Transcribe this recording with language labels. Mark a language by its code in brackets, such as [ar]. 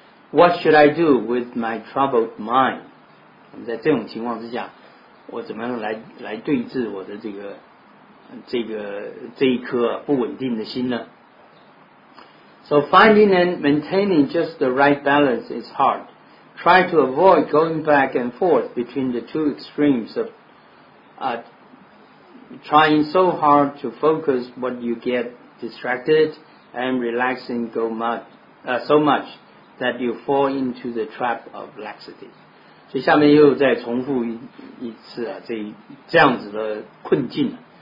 [en] What should I do with my troubled mind？ [zh] 我们在这种情况之下，我怎么样来对治我的这一颗不稳定的心呢？ [en] So finding and maintaining just the right balance is hard. Try to avoid going back and forth between the two extremes of trying so hard to focus but you get distracted and relaxing so much that you fall into the trap of laxity. [zh] 所以下面又再重复一次啊，这样子的困境啊。